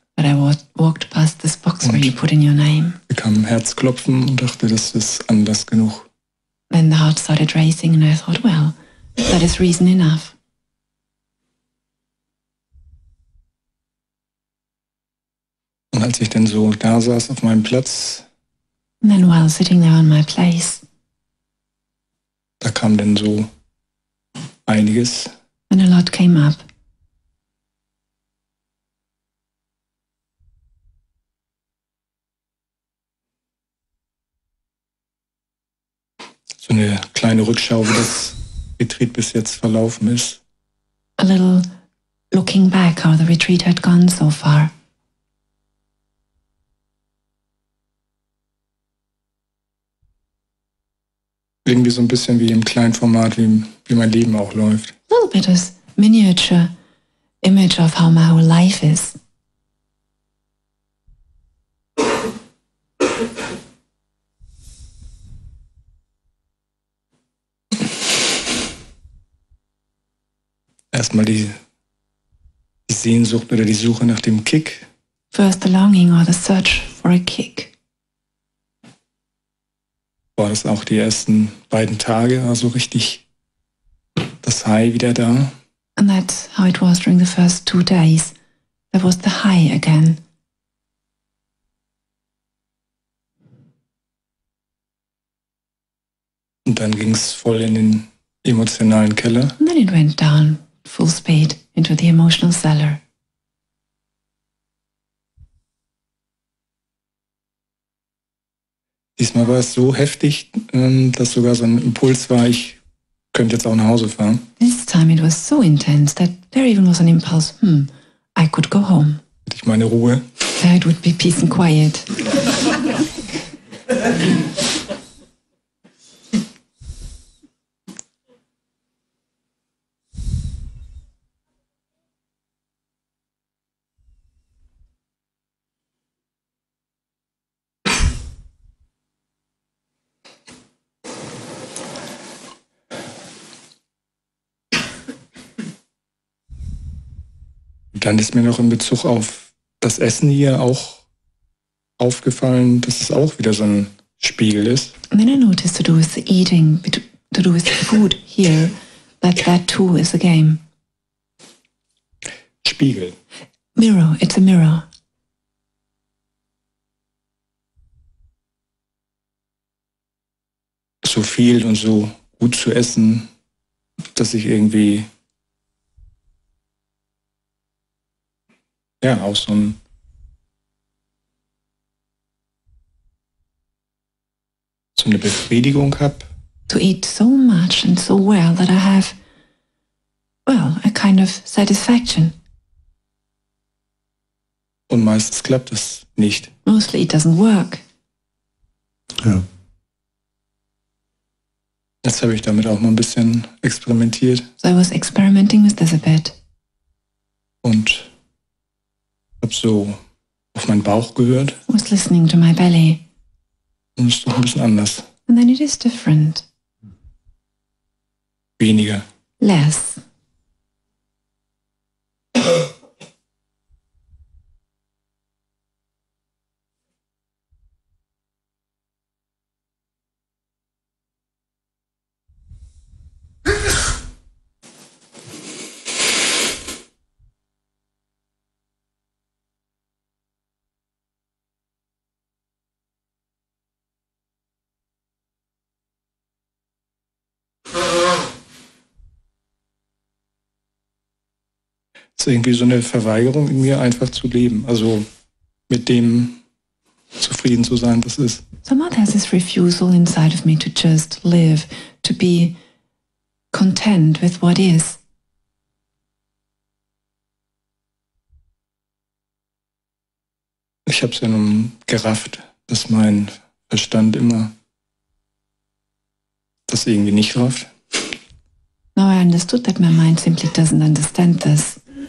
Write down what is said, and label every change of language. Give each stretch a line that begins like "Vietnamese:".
English: But I walked past this box where you put in your name.
German: Bekam ein Herzklopfen und dachte, das ist Anlass genug.
English: Then the heart started racing and I thought, well, that is reason enough.
German: Und als ich dann so da saß auf meinem Platz.
English: And then while sitting there on my place.
German: Da kam denn so einiges.
English: And a lot came up.
German: So eine kleine Rückschau, wie das Retreat bis jetzt verlaufen ist.
English: A little looking back how the retreat had gone so far.
German: Irgendwie so ein bisschen wie im kleinen Format, wie mein Leben auch läuft.
English: A little bit of miniature image of how my whole life is.
German: Erstmal die Sehnsucht oder die Suche nach dem Kick.
English: First the longing or the search for a kick.
German: War das auch die ersten beiden Tage, also richtig das High wieder da?
English: And that's how it was during the first two days. There was the high again.
German: Und dann ging es voll in den emotionalen Keller.
English: And then it went down full speed into the emotional cellar.
German: Diesmal war es so heftig, dass sogar so ein Impuls war, ich könnte jetzt auch nach Hause fahren.
English: This time it was so intense that there even was an impulse, I could go home.
German: Hätte ich meine Ruhe.
English: That would be peace and quiet.
German: Dann ist mir noch in Bezug auf das Essen hier auch aufgefallen, dass es auch wieder so ein Spiegel ist.
English: Then I noticed to do with the eating, to do with the food here, that too is a game.
German: Spiegel.
English: Mirror, it's a mirror.
German: So viel und so gut zu essen, dass ich irgendwie... Ja, auch so ein so eine Befriedigung hab.
English: To eat so much and so well that I have, well, a kind of satisfaction.
German: Und meistens klappt es nicht.
English: Mostly it doesn't work.
German: Ja. Jetzt habe ich damit auch mal ein bisschen experimentiert.
English: So I was experimenting with this a bit.
German: Und hab so auf meinen Bauch gehört.
English: Was listening to my belly.
German: Und es ist doch ein bisschen anders.
English: And then it is different.
German: Weniger.
English: Less.
German: Irgendwie so eine Verweigerung in mir, einfach zu leben. Also mit dem zufrieden zu sein, was ist.
English: Somehow there's this refusal inside of me to just live, to be content with what is.
German: Ich hab's ja nun gerafft, dass mein Verstand immer das irgendwie nicht rafft.
English: Now I understood that my mind simply doesn't understand this.